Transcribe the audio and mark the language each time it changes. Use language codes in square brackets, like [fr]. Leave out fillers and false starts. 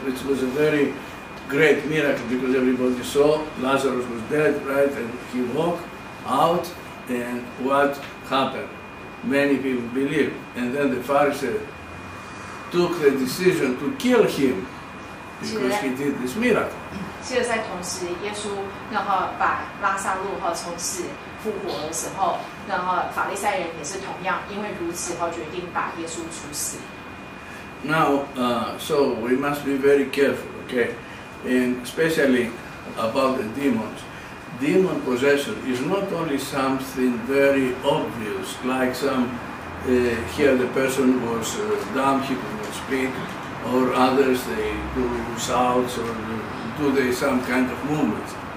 [en] Which was a very great miracle because everybody saw Lazarus was dead, right? And he walked out, and what happened? Many people believed, and then the Pharisees took the decision to kill him because he did this miracle. [zh] 其实在同时，耶稣把拉撒路从死复活的时候，法利赛人也是同样因为如此决定把耶稣处死。 [en] Now, so we must be very careful, okay, and especially about the demons. Demon possession is not only something very obvious, like some here the person was dumb, he could not speak, or others they do shouts or do they some kind of movements.